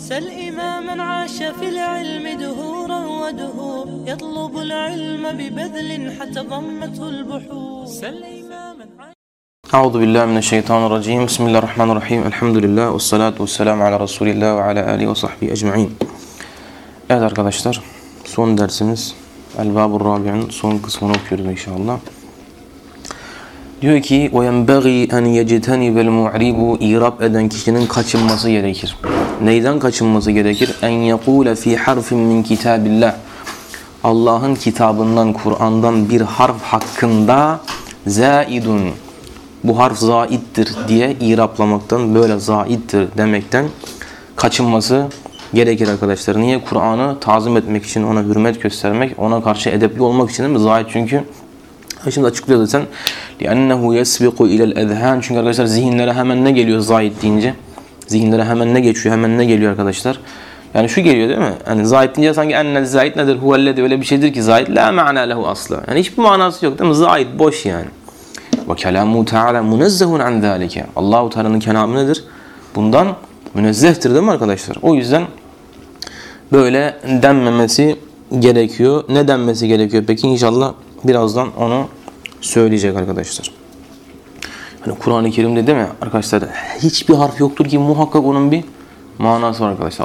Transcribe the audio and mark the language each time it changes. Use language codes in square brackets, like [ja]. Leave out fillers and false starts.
[ar] سل إماما عاش في العلم دهورا ودهور يطلب العلم ببذل حتى ضمته البحور. سل أعوذ بالله من الشيطان الرجيم. بسم الله الرحمن الرحيم. الحمد لله والصلاة والسلام على رسول الله وعلى آله وصحبه أجمعين. [tr] Evet arkadaşlar, son dersimiz El-Bâb-ı Râbi'nin son kısmını okuyoruz inşallah. Diyor ki [ar] وَيَنْبَغِي أَنْ يَجِتَنِبَ الْمُعْرِبُ [tr] İrab eden kişinin kaçınması gerekir. Neyden kaçınması gerekir? [ar] اَنْ يَقُولَ فِي حَرْفٍ مِنْ كِتَابِ اللّٰهِ [tr] Allah'ın kitabından, Kur'an'dan bir harf hakkında زَائِدٌ Bu harf zaittir diye iraplamaktan, böyle zaittir demekten kaçınması gerekir arkadaşlar. Niye? Kur'an'ı tazim etmek için, ona hürmet göstermek, ona karşı edepli olmak için değil mi? Zait çünkü. Şimdi açıklıyor zaten. [ar] لِأَنَّهُ يَسْبِقُ اِلَى الْاَذْهَانِ [tr] Çünkü arkadaşlar zihinlere hemen ne geliyor zait deyince? Zihinlere hemen ne geçiyor, hemen ne geliyor arkadaşlar? Yani şu geliyor değil mi? Yani zait deyince sanki [ar] اَنَّ الزَّاِدْ نَدِرْ هُوَ الَّذِي [tr] Öyle bir şeydir ki zait. [ar] لَا مَعْنَى لَهُ أَصْلًا [tr] Yani hiçbir manası yok değil mi? Zait, boş yani. [ar] وَكَلَامُ تَعَالَى مُنَزَّهٌ عَنْ ذَٰلِكَ [tr] Allah-u Teala'nın kelamı nedir? Bundan münezzehtir değil mi arkadaşlar? O yüzden böyle denmemesi gerekiyor. Ne denmesi gerekiyor? Peki inşallah birazdan onu söyleyecek arkadaşlar. Hani Kur'an-ı Kerim'de değil mi arkadaşlar? Hiçbir harf yoktur ki muhakkak onun bir manası var arkadaşlar.